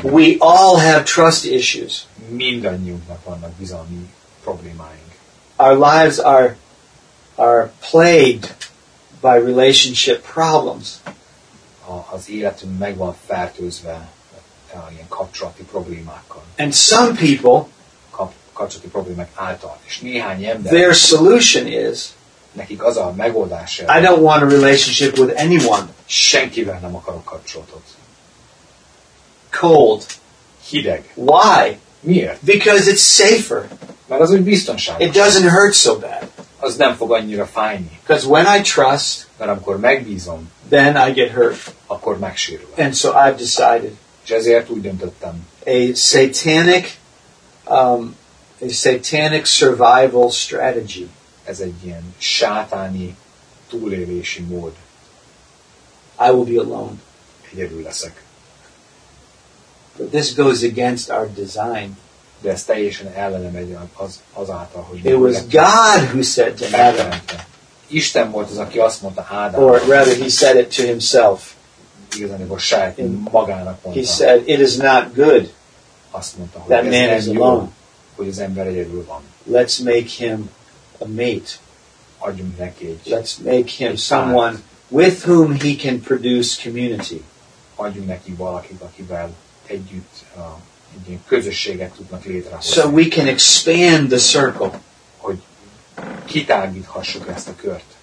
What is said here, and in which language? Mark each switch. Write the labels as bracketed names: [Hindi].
[English] we all have trust issues. [Hungarian] Mindannyiunknak vannak bizalmi problémáink. [English] Our lives are plagued by relationship problems. [Hungarian] Az életünk meg van fertőzve ilyen kapcsolati problémákkal. [English] And some people [Hungarian] kapcsolati problémák által, és néhány ember, [English] their solution is, [Hungarian] nekik az a megoldás, [English] I don't want a relationship with anyone. [Hungarian] Senkivel nem akarok kapcsolatot. [English] Cold. [Hungarian] Hideg. [English] Why? [Hungarian] Miért? [English] Because it's safer. [Hungarian] Mert az úgy biztonságos. [English] It doesn't hurt so bad. [Hungarian] Az nem fog annyira fájni. [English] Because when I trust, [Hungarian] mert amikor megbízom, [English] then I get hurt. [Hungarian] Akkor megsérülök. [English] And so I've decided. [Hungarian] És ezért úgy döntöttem. [English] A satanic survival strategy. [Hungarian] Ez egy ilyen sátáni túlélési mód. [English] I will be alone. [Hungarian] Egyedül leszek. [English] But this goes against our design. [Hungarian] De ez teljesen ellene megy azáltal, hogy [English] it was God who said to Adam. [Hungarian] Isten volt az, aki azt mondta Ádámnak. [English] Or rather, he said it to himself. [Hungarian] Igazából saját magának mondta. [English] He said, it is not good. [Hungarian] Azt mondta, hogy [English] that man is alone. [Hungarian] Hogy az ember egyedül van. [English] Let's make him a mate. [Hungarian] Adjunk neki egy. [English] Let's make him someone with whom he can produce community. [Hungarian] Adjunk neki valakit, akivel együtt egy ilyen közösséget tudnak létrehozni. [English] So we can expand the circle. [Hungarian] Hogy kitágíthassuk ezt a kört.